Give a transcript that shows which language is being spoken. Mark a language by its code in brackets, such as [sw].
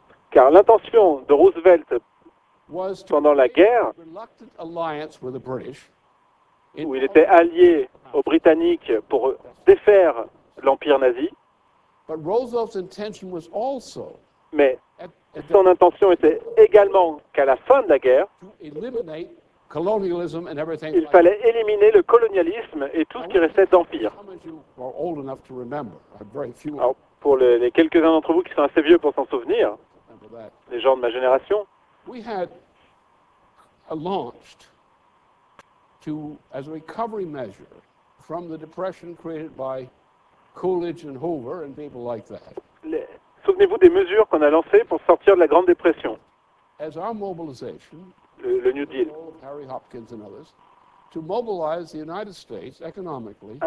[fr] Car l'intention de Roosevelt pendant la guerre, où il était allié aux Britanniques pour défaire l'Empire nazi, mais son intention était également qu'à la fin de la guerre, [en] colonialism and everything. [fr] Il fallait éliminer le colonialisme et tout ce qui restait d'empire. Alors, pour les quelques-uns d'entre vous qui sont assez vieux pour s'en souvenir, les gens de ma génération, [en] we had launched to as a recovery measure from the depression created by Coolidge and Hoover and people like that. [fr] Souvenez-vous des mesures qu'on a lancées pour sortir de la Grande Dépression. [en] As our mobilization, [fr] le New Deal, [en] Harry Hopkins and others, to mobilize the United States economically.